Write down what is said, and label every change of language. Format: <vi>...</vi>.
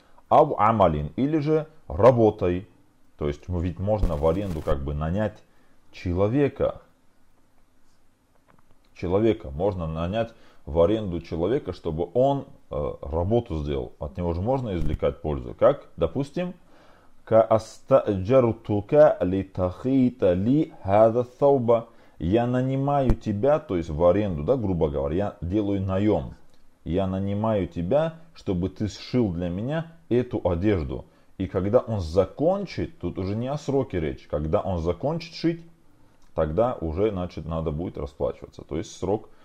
<ru>Ав амалин, или же работай. То есть, ведь можно в аренду как бы нанять человека. Человека можно нанять в аренду человека, чтобы он работу сделал. От него же можно извлекать пользу. Как, допустим,</ru> <ar>كَأَسْتَأْجَرْتُكَ لِتَخِيْتَ لِي هَذَا ثَوْبَ.</ar> <ru>Я нанимаю тебя, то есть в аренду, да, грубо говоря, я делаю наем. Я нанимаю тебя, чтобы ты сшил для меня эту одежду. И когда он закончит, тут уже не о сроке речь, когда он закончит шить, тогда уже, значит, надо будет расплачиваться. То есть срок.</ru>